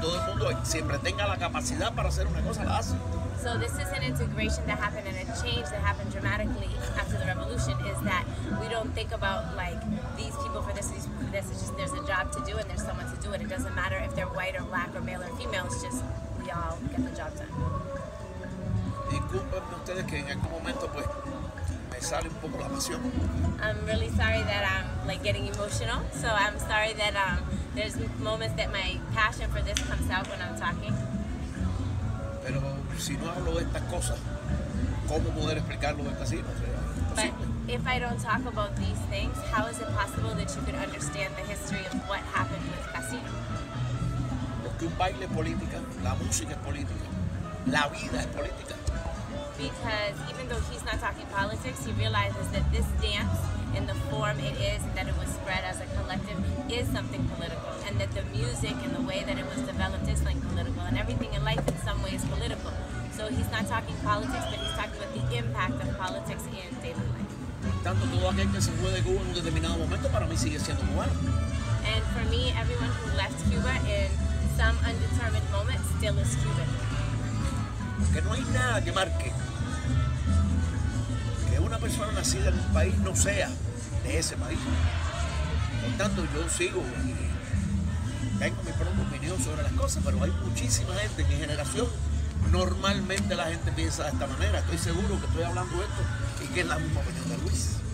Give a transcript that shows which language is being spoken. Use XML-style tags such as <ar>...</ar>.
<es>Todo el mundo siempre tenga la capacidad para hacer una cosa, la hace.</es> <en>So this is an integration that happened and a change that happened dramatically after the revolution, is that we don't think about like these people for this, these people for this. It's just there's a job to do and there's someone to do it. It doesn't matter if they're white or black or male or female. It's just we all get the job done.</en> <es>Discúlpenme ustedes que en algún momento pues me sale un poco la pasión.</es> <en>I'm really sorry that I'm like getting emotional. So I'm sorry that there's moments that my passion for this comes out when I'm talking.</en> <es>pero si no hablo de estas cosas, ¿cómo poder explicarlo en casino? O sea,</es> <en>but if I don't talk about these things, how is it possible that you could understand the history of what happened with casino?</en> <es>Porque un baile es política, la música es política, la vida es política.</es> <en>Because even though he's not talking politics, he realizes that this dance, in the form it is, that it was spread as a collective, is something political. And that the music and the way that it was developed is something political. And everything in life, in some way, is political. So he's not talking politics, but he's talking about the impact of politics in daily life.</en> <es>Tanto todo aquel que se fue de Cuba en un determinado momento, para mí sigue siendo cubano.</es> <en>And for me, everyone who left Cuba in some undetermined moment still is Cuban.</en> <es>Porque no hay nada que marque que una persona nacida en un país no sea de ese país. Por tanto, yo sigo y tengo mi propia opinión sobre las cosas, pero hay muchísima gente en mi generación. Normalmente la gente piensa de esta manera. Estoy seguro que estoy hablando esto y que es la misma opinión de Luis.</es>